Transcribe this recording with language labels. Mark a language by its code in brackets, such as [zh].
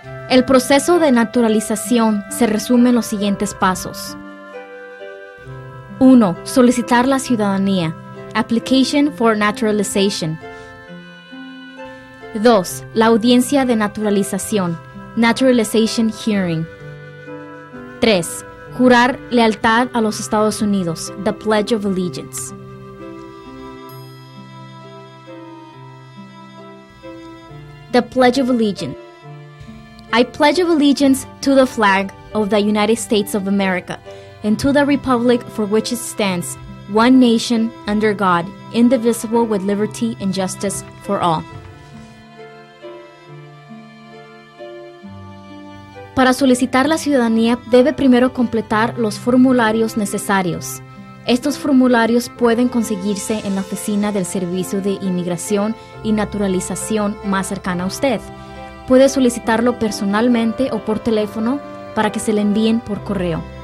[es] El proceso de naturalización se resume en los siguientes pasos. 1. Solicitar la ciudadanía. [en] Application for naturalization. [es] 2. La audiencia de naturalización. [en] Naturalization hearing. 3. [es] Jurar lealtad a los Estados Unidos. [en] The Pledge of Allegiance. The Pledge of Allegiance. I pledge of allegiance to the flag of the United States of America and to the republic for which it stands, one nation, under God, indivisible, with liberty and justice for all. [es] Para solicitar la ciudadanía, debe primero completar los formularios necesarios. Estos formularios pueden conseguirse en la oficina del Servicio de Inmigración y Naturalización más cercana a usted. Puede solicitarlo personalmente o por teléfono para que se le envíen por correo.